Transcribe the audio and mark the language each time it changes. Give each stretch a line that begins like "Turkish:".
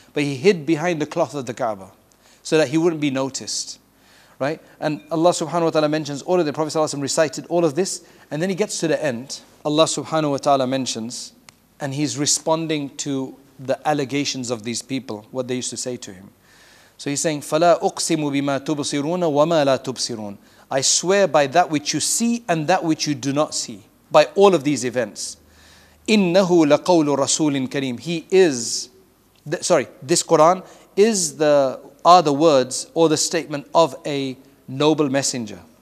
English: But he hid behind the cloth of the Kaaba so that he wouldn't be noticed. Right? And Allah subhanahu wa ta'ala mentions all of the Prophet ﷺ recited all of this. And then he gets to the end. Allah subhanahu wa ta'ala mentions, and he's responding to the allegations of these people, what they used to say to him. So he's saying,
Arabic: فَلَا أُقْسِمُ بِمَا تُبْصِرُونَ وَمَا لَا تُبْصِرُونَ.
English: I swear by that which you see and that which you do not see, by all of these events.
Arabic: إِنَّهُ لَقَوْلُ رَسُولٍ كَرِيمٍ.
English: He is, this Quran is the words or the statement of a noble messenger.